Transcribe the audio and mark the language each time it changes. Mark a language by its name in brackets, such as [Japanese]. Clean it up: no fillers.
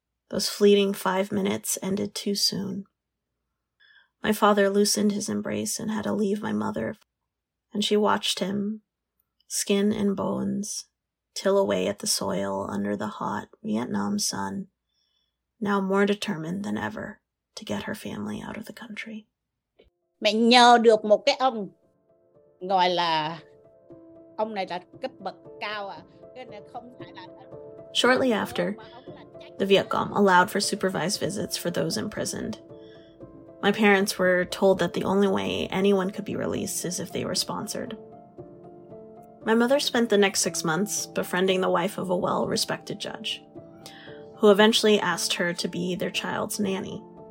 [English] Those fleeting 5 minutes ended too soon. My father loosened his embrace and had to leave my mother, and she watched him, skin and bones, till away at the soil under the hot Vietnam sun, now more determined than ever to get her family out of the country. [Vietnamese] Mẹ nhờ được một cái ông gọi là ông này là cấp bậc cao à, cái này không phải là. [English] Shortly after, the Viet Cong allowed for supervised visits for those imprisoned. My parents were told that the only way anyone could be released is if they were sponsored. My mother spent the next 6 months befriending the wife of a well-respected judge, who eventually asked her to be their child's nanny.